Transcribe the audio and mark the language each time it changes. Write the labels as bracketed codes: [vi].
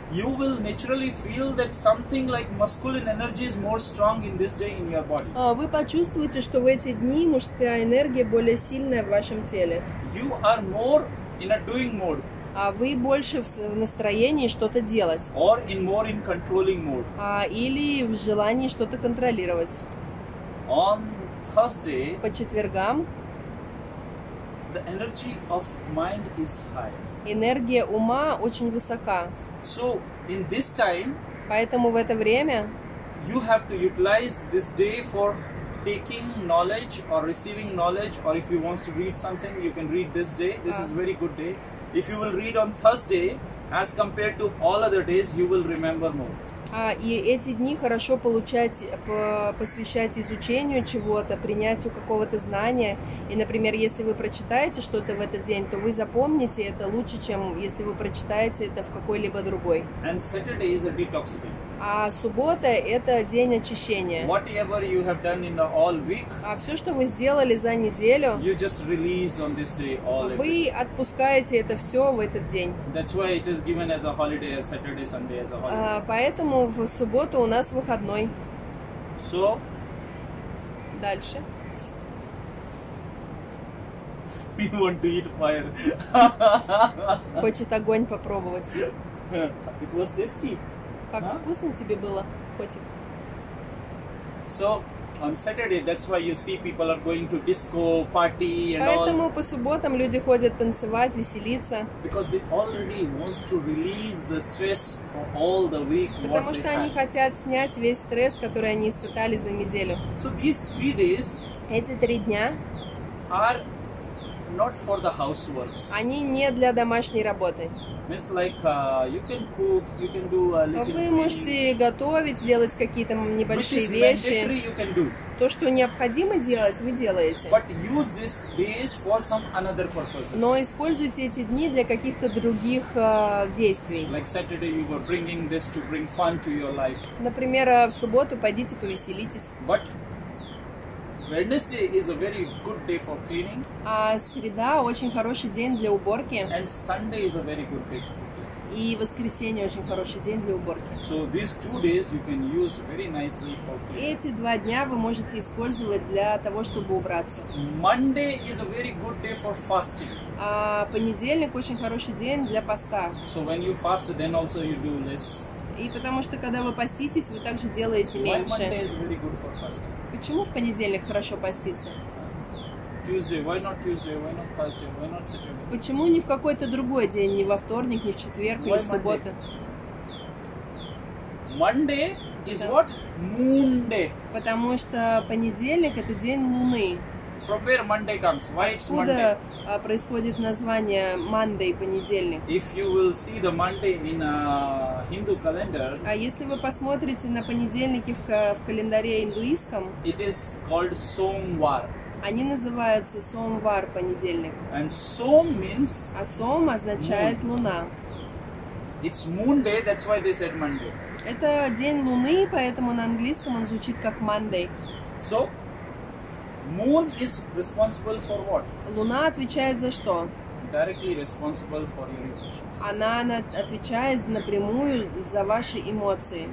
[en] you will naturally feel that something like masculine energy is more strong in this day in your body. [ru] Вы почувствуете, что в эти дни мужская энергия более сильная в вашем теле. [en] You are more in a doing mode. [ru] Вы больше в настроении что-то делать. [en] Or in more in controlling mode. [ru] Или в желании что-то контролировать. [en] On Thursday, [ru] по четвергам, [en] the energy of mind is high. [ru] Энергия ума очень высока. [en] So in this time, [ru] поэтому в это время, [en] you have to utilize this day for taking knowledge or receiving knowledge, or if you want to read something, you can read this day. This is very good day. If you will read on Thursday, as compared to all other days, you will remember more. [ru] И эти дни хорошо посвящать изучению чего-то, принятию какого-то знания. И, например, если вы прочитаете что-то в этот день, то вы запомните это лучше, чем если вы прочитаете это в какой-либо другой. [en] And Saturday is a detox day. [ru] А суббота – это день очищения. [en] Whatever you have done in the all week, [ru] все, что вы сделали за неделю, [en] you just release on this day all [ru] вы [en] everything. [ru] Отпускаете это все в этот день. [en] That's why it is given as a holiday, as Saturday, Sunday as a holiday. [ru] Поэтому в субботу у нас выходной. [en] So? [ru] Дальше. [en] We want to eat fire. [ru] Хочет огонь попробовать. [en] It was tasty. [ru] Как вкусно тебе было, котик. [en] So, on Saturday, that's why you see people are going to disco, party and [ru] Поэтому [en] all. [ru] Поэтому по субботам люди ходят танцевать, веселиться. [en] Because they already want to release the stress for all the week. [ru] Потому что они хотят снять весь стресс, который они испытали за неделю. [en] So these 3 days. [ru] Эти 3 дня. [en] Are not for the houseworks. [ru] Они не для домашней работы. [en] Means like you can cook, you can do a little. [ru] Вы можете готовить, делать какие-то небольшие вещи. [en] Which is mandatory, you can do. [ru] То, что необходимо делать, вы делаете. [en] But use this days for some another purposes. [ru] Но используйте эти дни для каких-то других действий. [en] Like Saturday, you were bringing this to bring fun to your life. [ru] Например, в субботу пойдите повеселитесь. [en] But Wednesday is a very good day for cleaning. [ru] А среда очень хороший день для уборки. [en] And Sunday is a very good day for cleaning. [ru] И воскресенье очень хороший день для уборки. [en] So these 2 days you can use very nicely for cleaning. [ru] Эти 2 дня вы можете использовать для того, чтобы убраться. [en] Monday is a very good day for fasting. [ru] А понедельник очень хороший день для поста. [en] So when you fast, then also you do less. [ru] И потому что когда вы поститесь, вы также делаете меньше. [en] Why Monday is very good for fasting? [ru] Почему в понедельник хорошо поститься? [en] Tuesday, why not Tuesday, why not Thursday, why not Saturday? [ru] Почему не в какой-то другой день, не во вторник, не в четверг, [en] why [ru] или в субботу? [en] Monday is what? Moon day. [ru] Потому что понедельник — это день луны. [en] From where Monday comes? Why it's [ru] Откуда [en] Monday? [ru] Происходит название Monday, понедельник? [en] If you will see the Monday in a Hindu calendar. [ru] А если вы посмотрите на понедельники в календаре индуистском? [en] It is called Somvar. [ru] Они называются Somvar, понедельник. [en] And Som means. [ru] А Som означает [en] moon. [ru] Луна. [en] It's Moon day, that's why they said Monday. [ru] Это день луны, поэтому на английском он звучит как Monday. [en] So. Moon is responsible for what? [ru] Луна отвечает за что? [en] Directly responsible for your emotions. [ru] Она отвечает напрямую за ваши эмоции.